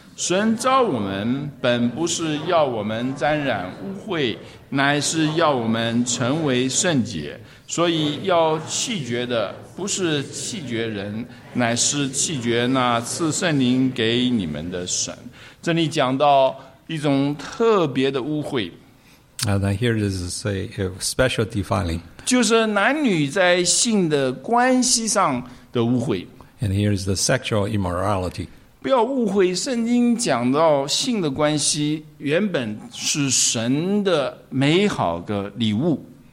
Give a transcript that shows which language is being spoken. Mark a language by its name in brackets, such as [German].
[Chinese] 神召我们本不是要我们沾染污秽，乃是要我们成为圣洁，所以要弃绝的不是弃绝人，乃是弃绝那赐圣灵给你们的神。这里讲到一种特别的污秽。 [English] And here is to say a special defiling. [Chinese] 就是男女在性的关系上的污秽。 [English] And here is the sexual immorality. [Chinese] 不要误会，圣经讲到性的关系原本是神的美好的礼物。